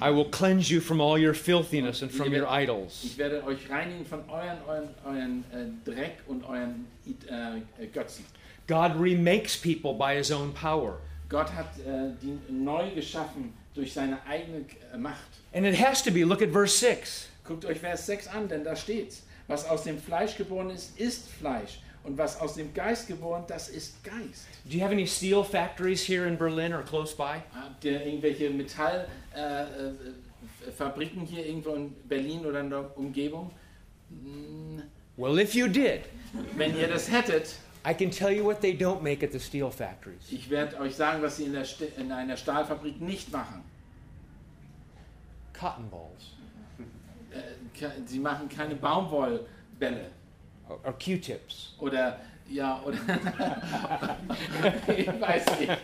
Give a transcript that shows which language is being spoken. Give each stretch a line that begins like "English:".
English: I will cleanse you from all your filthiness and from your idols.
German: Ich werde euch reinigen von euren Dreck und euren Götzen.
English: God remakes people by his own power.
German: Gott hat die neu geschaffen durch seine eigene Macht.
English: And it has to be. Look at verse 6.
German: Guckt euch Vers 6 an, denn da steht's. Was aus dem Fleisch geboren ist, ist Fleisch. Und was aus dem Geist geboren, das ist Geist.
English: Do you have any steel factories here in Berlin or close by?
German: Habt ihr irgendwelche Metallfabriken hier irgendwo in Berlin oder in der Umgebung?
English: Well, if you did.
German: Wenn ihr das hättet.
English: I can tell you what they don't make at the steel factories.
German: Ich werde euch sagen, was sie in einer Stahlfabrik nicht machen.
English: Cotton balls.
German: Sie machen keine Baumwollbälle.
English: Or Q-tips.
German: Oder ja, oder ich weiß nicht.